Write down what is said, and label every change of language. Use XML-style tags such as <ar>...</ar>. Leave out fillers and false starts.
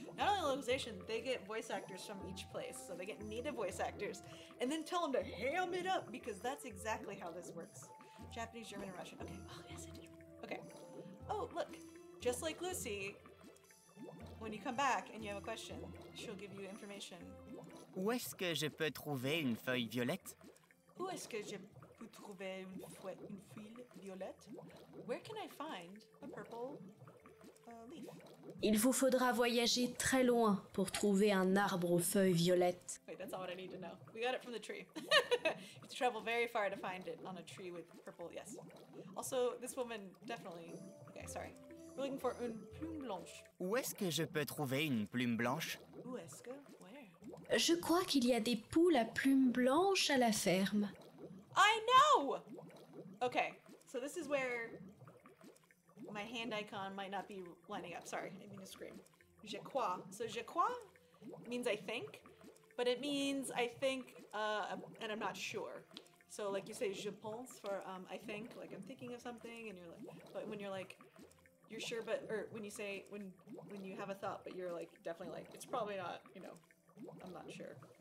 <en>Not only localization, they get voice actors from each place, so they get native voice actors, and then tell them to ham it up because that's exactly how this works. Japanese, German, and Russian. Okay. Oh yes, I do. Okay. Oh look, just like Lucy, when you come back and you have a question, she'll give you information.</en> <fr>Où est-ce que je peux trouver une feuille violette? Où est-ce que je peux trouver une feuille violette?</fr> <en>Where can I find a purple leaf?</en> <fr>Il vous faudra voyager très loin pour trouver un arbre aux feuilles violettes.</fr> <en>Wait, that's all what I need to know. We got it from the tree. You have to travel very far to find it on a tree with purple, yes. Also, this woman definitely. Okay, sorry. We're looking for</en> <fr>une plume blanche. Où est-ce que je peux trouver une plume blanche? Où est-ce que?</fr> <en>Where?</en> <fr>Je crois qu'il y a des poules à plumes blanches à la ferme.</fr> <en>I know! Okay, so this is where my hand icon might not be lining up. Sorry, I didn't mean to scream.</en> <fr>Je crois.</fr> <en>So je crois means I think, But it means, I think, and I'm not sure. So, like, you say, je pense, for, I think, like, I'm thinking of something, and you're like, but when you're like, you're sure, but, or when you say, when you have a thought, but you're like, definitely like, it's probably not, you know, I'm not sure.</en>